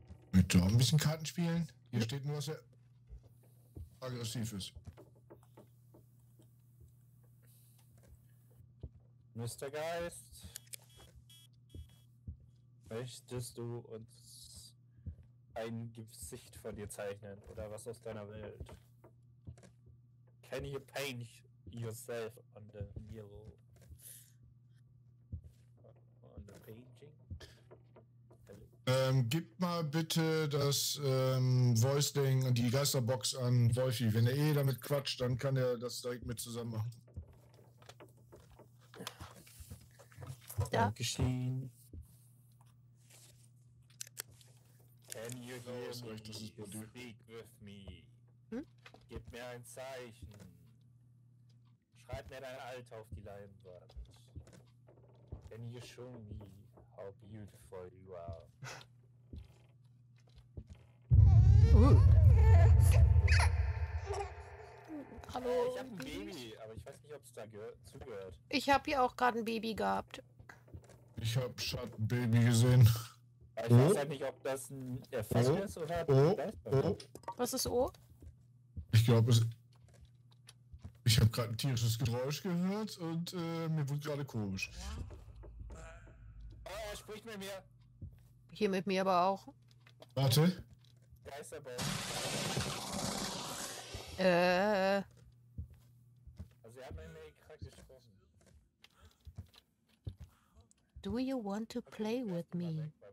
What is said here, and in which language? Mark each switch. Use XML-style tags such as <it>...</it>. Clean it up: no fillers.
<de>Bitte auch ein bisschen Karten spielen. Hier steht nur, was er aggressiv ist.</de> <en>Mr.</en> <de>Geist, möchtest du uns ein Gesicht von dir zeichnen oder was aus deiner Welt?</de> <en>Can you paint yourself on the mural? On the painting?</en> <de>Gib mal bitte das Voice-Ding und die Geisterbox an Wolfi. Wenn er eh damit quatscht, dann kann er das direkt mit zusammen machen. Ja. Dankeschön.</de> <en>Can you hear me? Speak with me. Hm?</en> <de>Gib mir ein Zeichen. Schreib mir dein Alter auf die Leinwand.</de> <en>Can you show me how beautiful you are?</en> <de>Hallo. Ich hab ein Baby, aber ich weiß nicht, ob es da zugehört. Ich hab hier auch gerade ein Baby gehabt. Ich hab Schattenbaby gesehen. Ich weiß ja nicht, ob das ein Erfassung ist oder O. Was ist O? Ich glaube, es. Ich hab gerade ein tierisches Geräusch gehört und mir wurde gerade komisch. Ja. Oh, er spricht mit mir. Hier mit mir aber auch. Warte. Geisterball. Also, er hat mir gerade gesprochen.</de> <en>Do you want to play with me?</en>